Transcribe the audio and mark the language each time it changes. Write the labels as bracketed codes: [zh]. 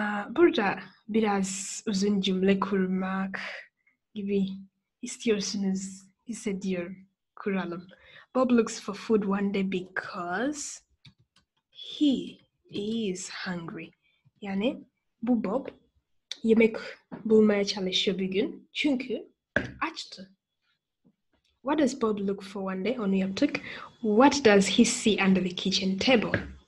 [tr] Burada biraz uzun cümle kurmak gibi istiyorsunuz ise diyor kuralım. [en] Bob looks for food one day because he is hungry. [tr] Yani bu Bob yemek bulmaya çalışıyor bir gün çünkü açtı. [en] What does Bob look for one day? [tr] Onu yaptık. [en] What does he see under the kitchen table?